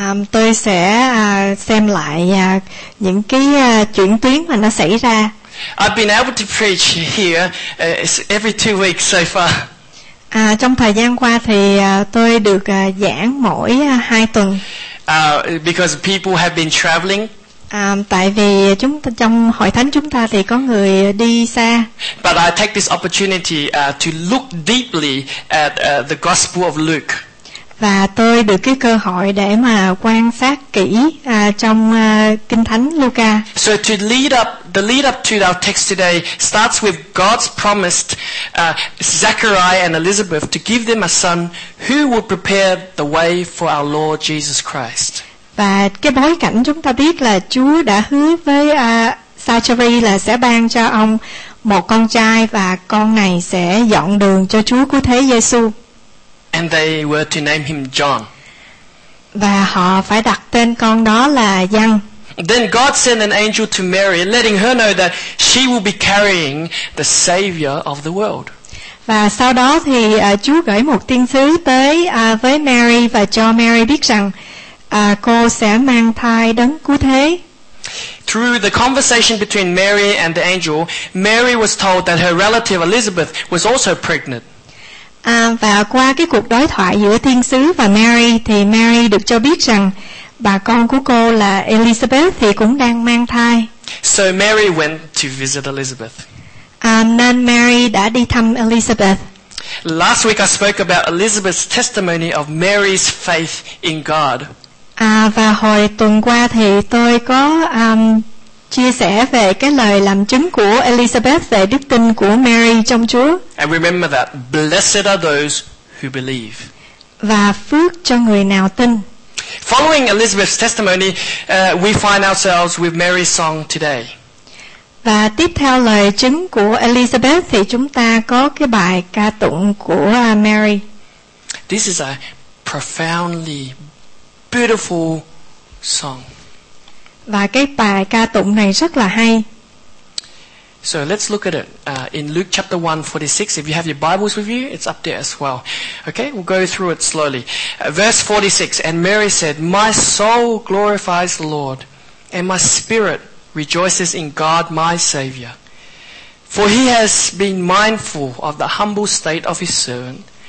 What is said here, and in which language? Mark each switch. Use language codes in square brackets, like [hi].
[vi] Tôi sẽ xem lại những cái chuyển tuyến mà nó xảy ra. [en] I've been able to preach here every 2 weeks so far. [vi] Trong thời gian qua thì tôi được giảng mỗi 2 tuần. [en] Because people have been traveling. [vi] Tại vì chúng ta, trong hội thánh chúng ta thì có người đi xa. [en] But I take this opportunity to look deeply at the Gospel of Luke. [vi] Và tôi được cái cơ hội để mà quan sát kỹ trong Kinh Thánh Luca. [en] So to lead up to our text today starts with God's promised Zechariah and Elizabeth to give them a son who would prepare the way for our Lord Jesus Christ. [vi] Và cái bối cảnh chúng ta biết là Chúa đã hứa với Zachary là sẽ ban cho ông một con trai và con này sẽ dọn đường cho Chúa Cứu Thế Giê-xu. [en] And they were to name him John. [vi] Và họ phải đặt tên con đó là Giăng. [en] Then God sent an angel to Mary, letting her know that she will be carrying the Savior of the world. [vi] Và sau đó thì Chúa gửi một tiên sứ tới với Mary và cho Mary biết rằng cô sẽ mang thai Đấng Cứu Thế. [en] Through the conversation between Mary and the angel, Mary was told that her relative Elizabeth was also pregnant. [vi] Và qua cái cuộc đối thoại giữa thiên sứ và Mary thì Mary được cho biết rằng bà con của cô là Elizabeth thì cũng đang mang thai. [en] So Mary went to visit Elizabeth. [vi] Nên Mary đã đi thăm Elizabeth. [en] Last week I spoke about Elizabeth's testimony of Mary's faith in God. [vi] Và hồi tuần qua thì tôi có chia sẻ về cái lời làm chứng của Elizabeth về đức tin của Mary trong Chúa. [en] And remember that blessed are those who believe. [vi] Và phước cho người nào tin. [en] Following Elizabeth's testimony, we find ourselves with Mary's song today. [vi] Và tiếp theo lời chứng của Elizabeth thì chúng ta có cái bài ca tụng của Mary. [en] This is a profoundly beautiful song. [vi] Và cái bài ca tụng này rất là hay. [en] So let's look at it in Luke chapter 1, 46. If you have your Bibles with you, it's up there as well. Okay, we'll go through it slowly. Verse 46, and Mary said, "My soul glorifies the Lord, and my spirit rejoices in God my Savior. For he has been mindful of the humble state of his servant.